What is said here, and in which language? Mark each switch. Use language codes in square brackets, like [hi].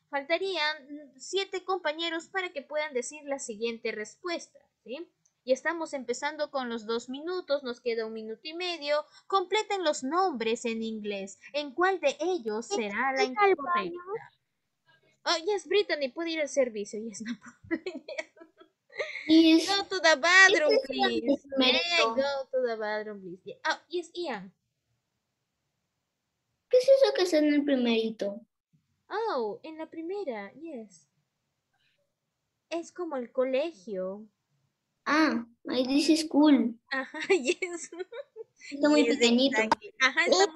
[es] Faltarían 7 compañeros para que puedan decir la siguiente respuesta, ¿sí? Y estamos empezando con los 2 minutos, nos queda 1 minuto y medio. Completen los nombres en inglés. ¿En cuál de ellos será la incorrecta? Oh, yes, Brittany, puede ir al servicio. Yes, no puedo. [en] Go to the bathroom, please. Go to the bathroom, please. Oh, yes, Ian. [es] ¿Qué es eso que es en el primerito? Oh, en la primera, yes. Es como el colegio. Ah, ahí dice school. Ajá, yes. Está muy pequeñito. Ajá, está muy